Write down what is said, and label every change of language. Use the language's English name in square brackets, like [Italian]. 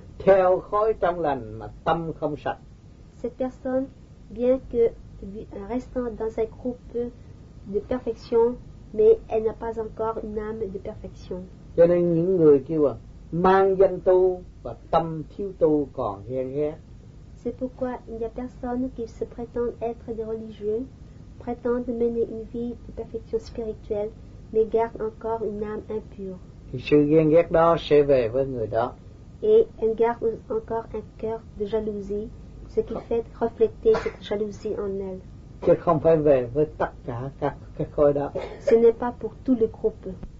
[Vietnamese] Theo khối trong lành mà tâm không sạch. [French] Cette personne, bien que restant dans un groupe de perfection, mais elle n'a pas encore une âme de perfection. [Vietnamese] Cho nên những người kêu à. Mang danh tu và tâm thiếu tu còn ghen ghét. [French] C'est pourquoi il y a personne qui se prétend être des religieux, prétend mener une vie de perfection spirituelle, mais garde encore une âme impure. [Vietnamese] Thì sự ghen ghét đó sẽ về với người đó. [French] Et elle garde encore un cœur de jalousie, ce qui fait refléter cette jalousie en elle. [Vietnamese] chứ không phải về với tất cả các khối đó. [French] Ce n'est pas pour tous les groupes.